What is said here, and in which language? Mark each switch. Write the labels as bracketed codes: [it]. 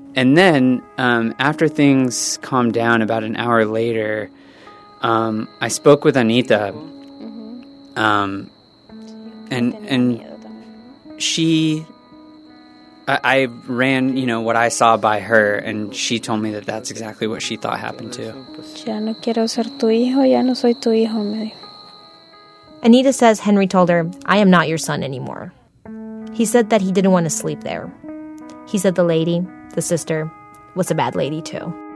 [en] And then, after things calmed down about an hour later, I spoke with Anita. Mm-hmm. And she, I ran, you know, what I saw by her, and she told me that that's exactly what she thought happened too. [es] Ya no quiero ser tu hijo, ya no soy tu hijo, me dijo. [en] Anita says Henry told her, I am not your son anymore. He said that he didn't want to sleep there. He said the lady, the sister, was a bad lady too.